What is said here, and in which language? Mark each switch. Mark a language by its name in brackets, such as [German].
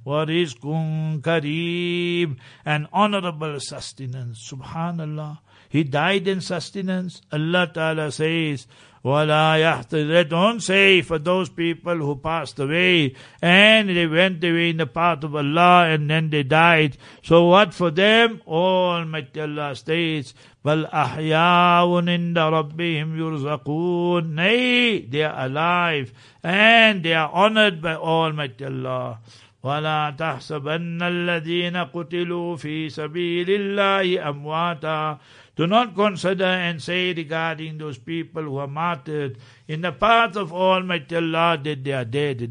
[Arabic] وَرِزْقٌ كَرِيمٌ. [English] And honorable sustenance. Subhanallah. He died in sustenance. Allah Ta'ala says, [Arabic] وَلَا يَحْتَرَ. [English] Don't say for those people who passed away and they went away in the path of Allah and then they died. So what for them? Almighty Allah states, [Arabic] بَلْ أَحْيَاءٌ عِنْدَ رَبِّهِمْ يُرْزَقُونَ. [English] Nay, they are alive and they are honored by Almighty Allah. [Arabic] وَلَا تَحْسَبَنَّ الَّذِينَ قُتِلُوا فِي سَبِيلِ اللَّهِ أَمْوَاتًا. [English] Do not consider and say regarding those people who are martyred in the path of Almighty Allah that they are dead.